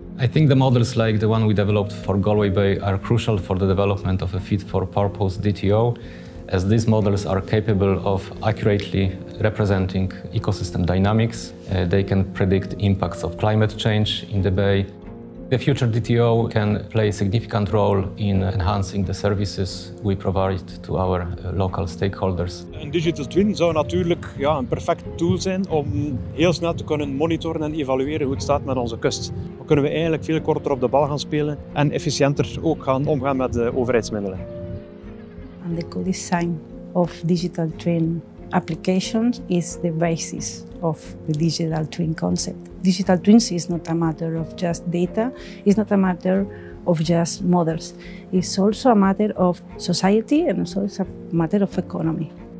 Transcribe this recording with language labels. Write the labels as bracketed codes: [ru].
[en] I think the models like the one we developed for Galway Bay are crucial for the development of a fit-for-purpose DTO, as these models are capable of accurately representing ecosystem dynamics. They can predict impacts of climate change in the bay. The future DTO can play a significant role in enhancing the services we provide to our local stakeholders. [nl] Een digital twin zou natuurlijk een perfect tool zijn om heel snel te kunnen monitoren en evalueren hoe het staat met onze kust. Dan kunnen we eigenlijk veel korter op de bal gaan spelen en efficiënter ook gaan omgaan met de overheidsmiddelen. [en] And the co-design of digital twin applications is the basis of the digital twin concept. Digital twins is not a matter of just data, it's not a matter of just models. It's also a matter of society, and also it's a matter of economy.